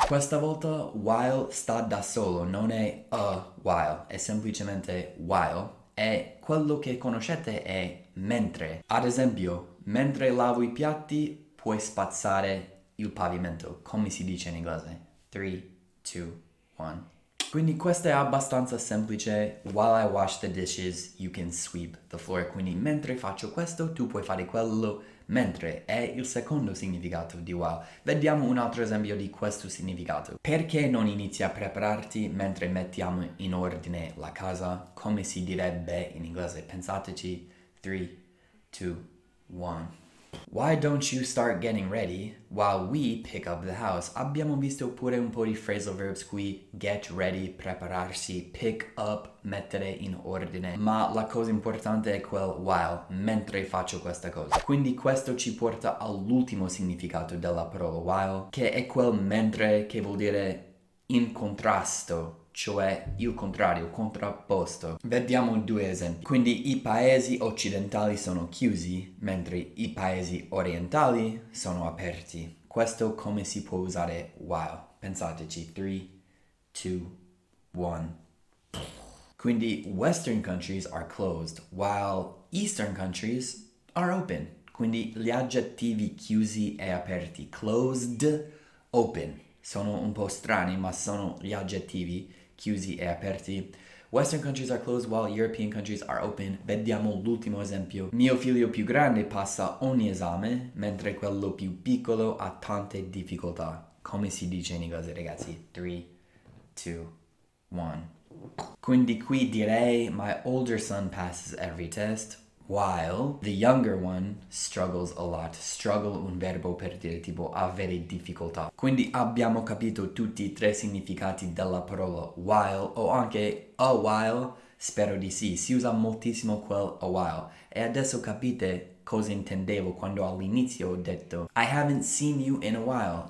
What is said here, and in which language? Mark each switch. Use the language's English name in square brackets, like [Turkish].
[Italian] Questa volta while sta da solo, non è a while, è semplicemente while. E quello che conoscete è mentre. Ad esempio, mentre lavo i piatti, puoi spazzare il pavimento. Come si dice in inglese? 3, 2, 1. Quindi questo è abbastanza semplice. [English] While I wash the dishes, you can sweep the floor. [Italian] Quindi mentre faccio questo, tu puoi fare quello. Mentre è il secondo significato di while. Vediamo un altro esempio di questo significato. Perché non inizi a prepararti mentre mettiamo in ordine la casa? Come si direbbe in inglese? Pensateci. 3, 2, 1. [English] Why don't you start getting ready while we pick up the house? [Italian] Abbiamo visto pure un po' di phrasal verbs qui. Get ready, prepararsi, pick up, mettere in ordine. Ma la cosa importante è quel while, mentre faccio questa cosa. Quindi questo ci porta all'ultimo significato della parola while, che è quel mentre, che vuol dire in contrasto. Cioè il contrario, contrapposto. Vediamo due esempi. Quindi i paesi occidentali sono chiusi, mentre i paesi orientali sono aperti. Questo come si può usare while? Pensateci. 3, 2, 1. Quindi [English] western countries are closed, while eastern countries are open. [Italian] Quindi gli aggettivi chiusi e aperti, closed, open, sono un po' strani, ma sono gli aggettivi chiusi e aperti. [English] Western countries are closed while European countries are open. [Italian] Vediamo l'ultimo esempio. Mio figlio più grande passa ogni esame, mentre quello più piccolo ha tante difficoltà. Come si dice in inglese, ragazzi? 3, 2, 1. Quindi qui direi, [English] my older son passes every test, while the younger one struggles a lot. [Italian] Struggle, un verbo per dire tipo avere difficoltà. Quindi abbiamo capito tutti i tre significati della parola while, o anche a while, spero di sì. Si usa moltissimo quel a while. E adesso capite cosa intendevo quando all'inizio ho detto [English] I haven't seen you in a while.